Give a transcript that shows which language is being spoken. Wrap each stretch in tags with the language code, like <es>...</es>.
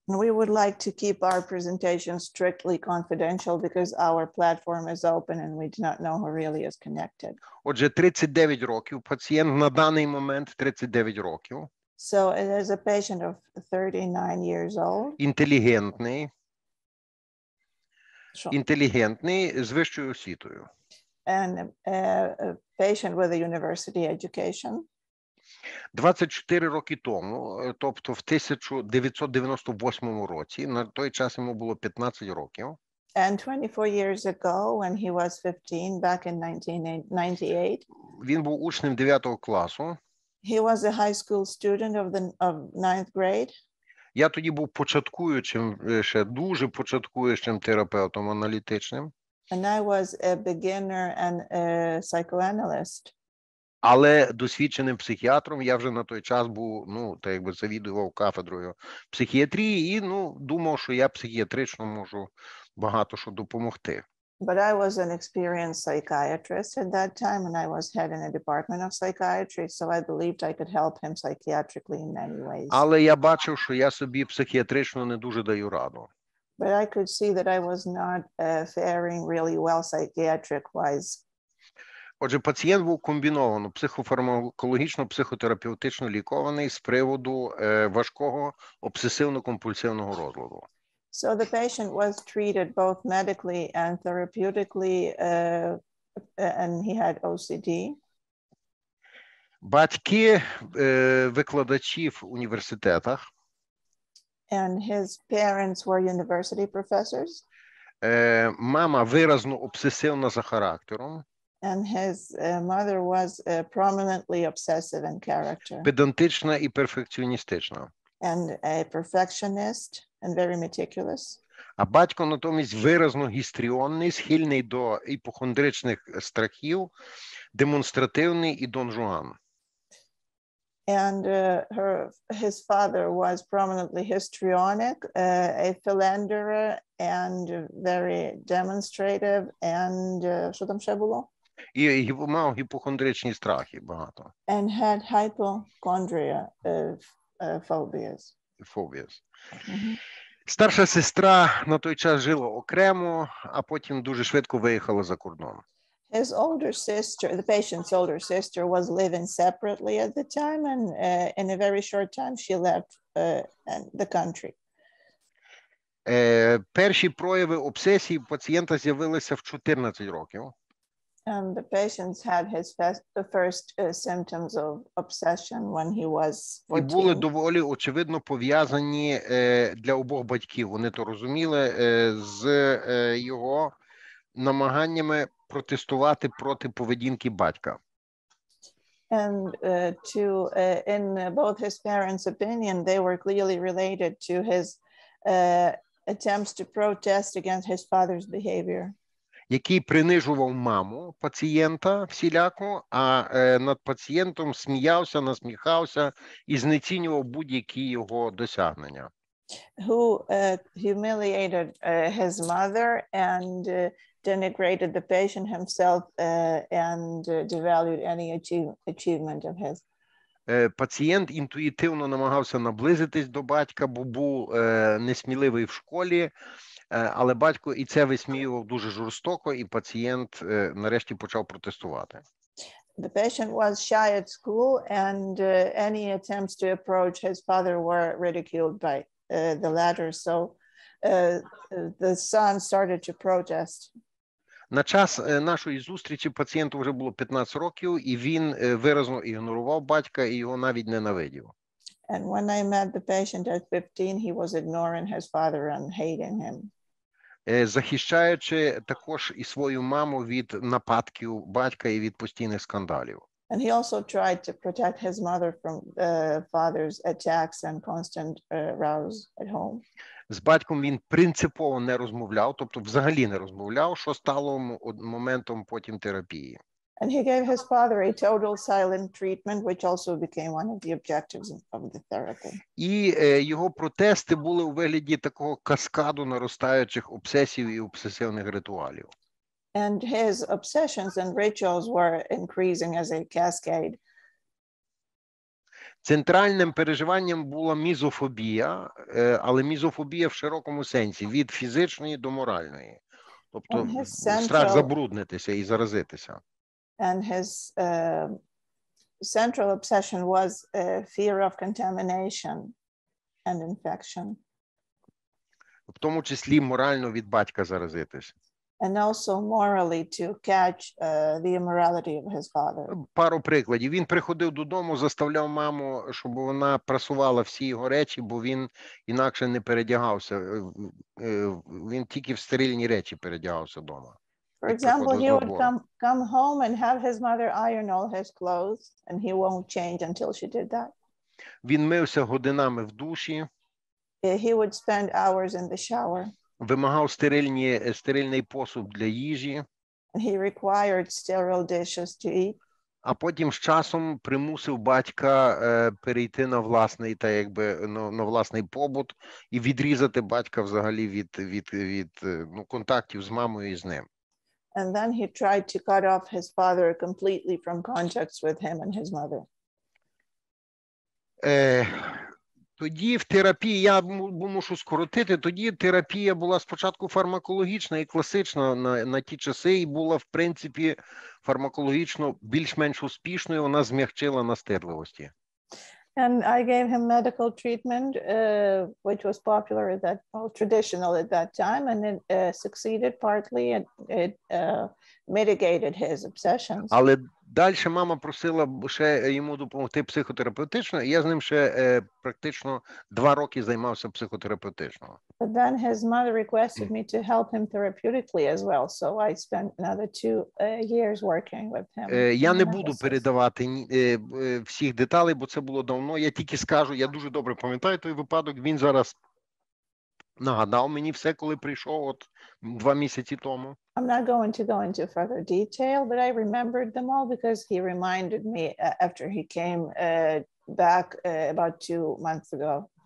<en>We would like to keep our presentation strictly confidential because our platform is open and we do not know who really is connected.</en> <uk>Отже, 39 років, пацієнт на даний момент 39 років.</uk> <en>So it is a patient of 39 years old.</en> <uk>Інтелігентний.</uk> <en>Sure.</en> <uk>Інтелігентний з вищою освітою.</uk> <en>And a patient with a university education.</en> <uk>24 роки тому, тобто в 1998 році, на той час йому було 15 років.</uk> <en>And 24 years ago, when he was 15, back in 1998.</en> <uk>Він був учнем 9 класу.</uk> <en>He was a high school student of the of ninth grade.</en> <uk>Я тоді був початкуючим, ще дуже початкуючим терапевтом аналітичним.</uk> <en>And I was a beginner and a psychoanalyst.</en> <uk>Але досвідченим психіатром, я вже на той час був, ну, так якби завідував кафедрою психіатрії і, ну, думав, що я психіатрично можу багато що допомогти.</uk> <en>But I was an experienced psychiatrist at that time, and I was head in a department of psychiatry, so I believed I could help him psychiatrically in many ways.</en> <uk>Але я бачив, що я собі психіатрично не дуже даю раду.</uk> <en>But I could see that I was not faring really well psychiatric-wise.</en> <uk>Отже, пацієнт був комбіновано психофармакологічно-психотерапевтично лікований з приводу важкого обсесивно-компульсивного розладу.</uk> <en>So the patient was treated both medically and therapeutically, and he had OCD.</en> <uk>Батьки викладачів університетах.</uk> <en>And his parents were university professors.</en> <uk>Мама виразно обсесивна за характером.</uk> <en>And his mother was prominently obsessive in character.</en> <uk>Педантична і перфекціоністична.</uk> <en>And a perfectionist. And very meticulous.</en> <uk>А батько натомість виразно гістріонний, схильний до іпохондричних страхів, демонстративний і донжуан.</uk> <en>And his father was prominently histrionic, a philanderer, and very demonstrative, and</en> <uk>що там ще було? І мав гіпохондричні страхи багато.</uk> <en>And had hypochondria, phobias. phobias.</en> <uk>Старша сестра на той час жила окремо, а потім дуже швидко виїхала за кордон.</uk> <en>His older sister, the patient's older sister, was living separately at the time, and in a very short time she left the country.</en> <uk>Перші прояви обсесії пацієнта з'явилися в 14 років.</uk> <en>And the patient had his first symptoms of obsession when he was 14.</en> <uk>І були доволі очевидно пов'язані для обох батьків, вони то розуміли, з його намаганнями протестувати проти поведінки батька.</uk> <en>And in both his parents' opinion, they were clearly related to his attempts to protest against his father's behavior.</en> <uk>Який принижував маму пацієнта всіляко, а над пацієнтом сміявся, насміхався і знецінював будь-які його досягнення.</uk> <en>Who humiliated his mother and denigrated the patient himself and devalued any achievement of his.</en> <uk>Пацієнт інтуїтивно намагався наблизитись до батька, бо був несміливий в школі. Але батько і це висміював дуже жорстоко, і пацієнт нарешті почав протестувати.</uk> <en>The patient was shy at school, and any attempts to approach his father were ridiculed by the latter, so the son started to protest.</en> <uk>На час нашої зустрічі пацієнту вже було 15 років, і він виразно ігнорував батька і його навіть ненавидів.</uk> <en>And when I met the patient at 15, he was ignoring his father and hating him.</en> <uk>Захищаючи також і свою маму від нападків батька і від постійних скандалів.</uk> <en>And he also tried to protect his mother from the father's attacks and constant rows at home.</en> <uk>З батьком він принципово не розмовляв, тобто взагалі не розмовляв, що стало моментом потім терапії.</uk> <en>And he gave his father a total silent treatment, which also became one of the objectives of the therapy.</en> <uk>І його протести були у вигляді такого каскаду наростаючих обсесій і обсесивних ритуалів.</uk> <en>And his obsessions and rituals were increasing as a cascade.</en> <uk>Центральним переживанням була мізофобія, але мізофобія в широкому сенсі, від фізичної до моральної. Тобто страх забруднитися і заразитися.</uk> <en>And his central obsession was a fear of contamination and infection.</en> <uk>В тому числі морально від батька заразитись.</uk> <en>And also morally to catch the immorality of his father.</en> <uk>Пару прикладів. Він приходив додому, заставляв маму, щоб вона прасувала всі його речі, бо він інакше не передягався. Він тільки в стерильні речі передягався вдома.</uk> <en>For example, he would come home and have his mother iron all his clothes, and he won't change until she did that.</en> <uk>Він мився годинами в душі.</uk> <en>He would spend hours in the shower.</en> <uk>Вимагав стерильний посуд для їжі.</uk> <en>And he required sterile dishes to eat.</en> <uk>А потім з часом примусив батька перейти на власний, та якби, на власний побут і відрізати батька взагалі від контактів з мамою і з ним.</uk> <en>And then he tried to cut off his father completely from contacts with him and his mother.</en> <uk>Тоді в терапії, я мушу скоротити, тоді терапія була спочатку фармакологічна і класична на ті часи, і була, в принципі, фармакологічно більш-менш успішною, вона змягчила настирливості.</uk> <en>And I gave him medical treatment, which was popular at that, well, traditional at that time, and it succeeded partly, and it mitigated his obsessions.</en> <uk>Але далі мама просила ще йому допомогти психотерапевтично, і я з ним ще практично 2 роки займався психотерапевтично.</uk> <en>But then his mother requested me to help him therapeutically as well, so I spent another 2 years working with him.</en> <uk>Я не буду передавати всіх деталей, бо це було давно, я тільки скажу, я дуже добре пам'ятаю той випадок, він зараз нагадав мені все, коли прийшов от 2 місяці тому.</uk> <en>I'm not going to go into further detail, but I remembered them all because he reminded me after he came back about 2 months ago.</en>